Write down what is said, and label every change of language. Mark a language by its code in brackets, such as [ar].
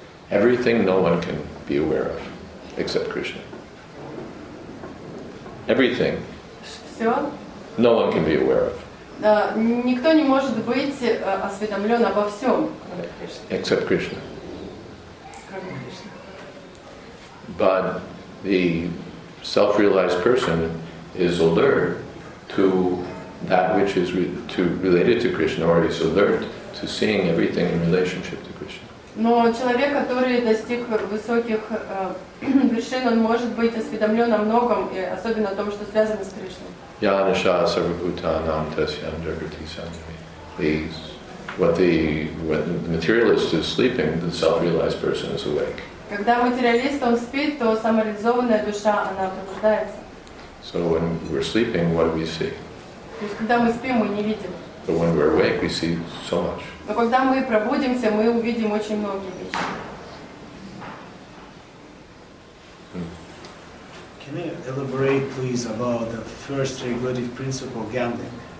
[en] Everything no one can be aware of, except Krishna. Everything. [ru] Все? [en] No one can be aware of. [ru] Никто не может быть осведомлен обо всем, кроме [en] Кришны. Except Krishna. [ru] Кроме Кришны. [en] But the self-realized person is alert to that which is related to Krishna, or is alert to seeing everything in relationship to Krishna. [ru] Но человек, который достиг высоких вершин, он может быть осведомлен о многом, и особенно о том, что связано с Кришной. [sa] Yana sha sarvabhuta anantasyam jagrati sandhavi. [en] When the materialist is sleeping, the self-realized person is awake. [ru] Когда материалист, он спит, то самореализованная душа, она пробуждается. [en] So when we're sleeping, what do we see? [ru] То есть, когда мы спим, мы не видим. [en] But when we're awake, we see so much. [ru] Но когда мы пробудимся, мы увидим очень многие вещи. [en] Can you elaborate, please, about the first regulative principle, gambling?